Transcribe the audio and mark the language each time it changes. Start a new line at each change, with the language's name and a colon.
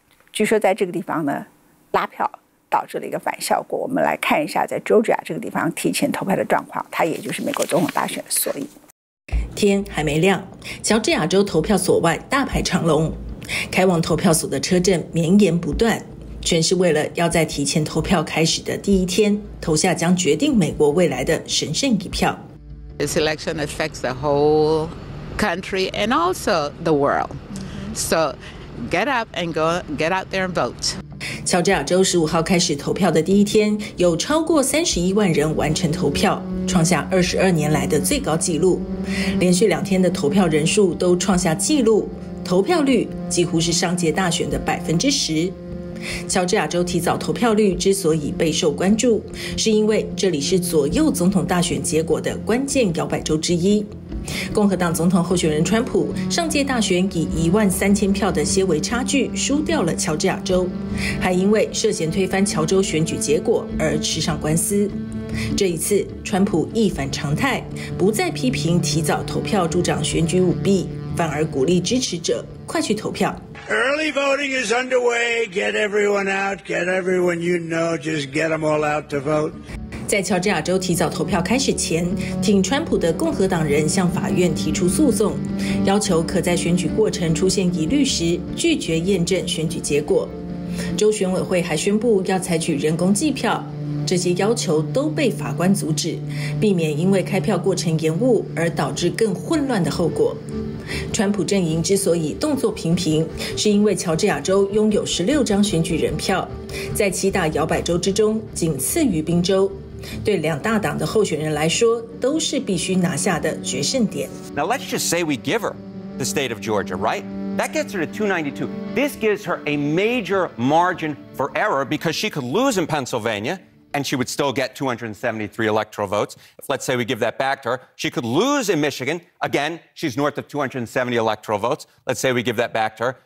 Chinese: 据说在这个地方呢拉票导致了一个反效果。我们来看一下在 Georgia 这个地方提前投票的状况，它也就是美国总统大选的缩影。天还没亮，乔治亚州投票所外大排长龙，开往投票所的车阵绵延不断，全是为了要在提前投票开始的第一天投下将决定美国未来的神圣一票。
English: This election affects the whole country and also the world, so get up and go get out there and vote。
Chinese: 乔治亚州15号开始投票的第一天，有超过31万人完成投票，创下22年来的最高纪录。连续两天的投票人数都创下纪录，投票率几乎是上届大选的10%。乔治亚州提早投票率之所以备受关注，是因为这里是左右总统大选结果的关键摇摆州之一。共和党总统候选人川普上届大选以13000票的些微差距输掉了乔治亚州，还因为涉嫌推翻乔州选举结果而吃上官司。这一次川普一反常态，不再批评提早投票助长选举舞弊，反而鼓励支持者快去投票。
English: Early voting is underway, get everyone out, get everyone you know, just get them all out to vote。
Chinese: 在乔治亚州提早投票开始前，挺川普的共和党人向法院提出诉讼，要求可在选举过程出现疑虑时拒绝验证选举结果。州选委会还宣布要采取人工计票，这些要求都被法官阻止，避免因为开票过程延误而导致更混乱的后果。川普阵营之所以动作频频，是因为乔治亚州拥有16张选举人票，在七大摇摆州之中仅次于宾州，对两大党的候选人来说都是必须拿下的决胜点。
English: Now let's just say we give her the state of Georgia, right? That gets her to 292. This gives her a major margin for error because she could lose in Pennsylvania. And she would still get 273 electoral votes. If, let's say we give that back to her, she could lose in Michigan. Again, she's north of 270 electoral votes. Let's say we give that back to her.